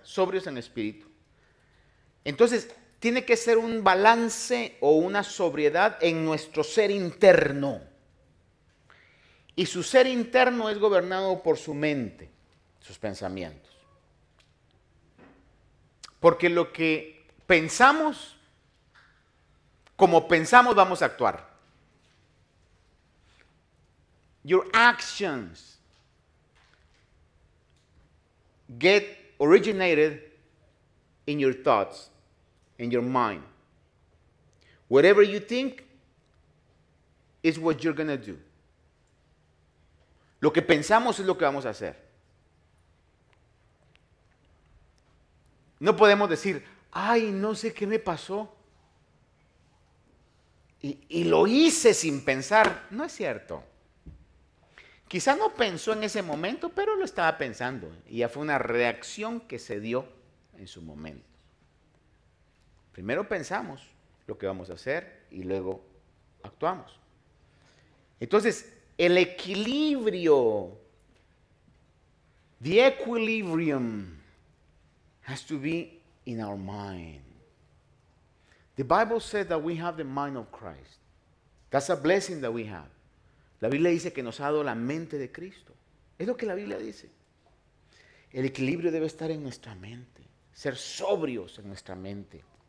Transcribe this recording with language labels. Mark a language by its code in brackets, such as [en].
[es] Sobrios en espíritu. Entonces, tiene que ser un balance o una sobriedad en nuestro ser interno. Y su ser interno es gobernado por su mente, sus pensamientos. Porque lo que pensamos, como pensamos vamos a actuar. [en] Your actions get originated in your thoughts, in your mind. Whatever you think is what you're going to do. [es] Lo que pensamos es lo que vamos a hacer. No podemos decir, ay, no sé qué me pasó. Y lo hice sin pensar. No es cierto. Quizá no pensó en ese momento, pero lo estaba pensando. Y ya fue una reacción que se dio en su momento. Primero pensamos lo que vamos a hacer y luego actuamos. Entonces, el equilibrio, [en] the equilibrium has to be in our mind. The Bible says that we have the mind of Christ. That's a blessing that we have. [es] La Biblia dice que nos ha dado la mente de Cristo. Es lo que la Biblia dice. El equilibrio debe estar en nuestra mente. Ser sobrios en nuestra mente.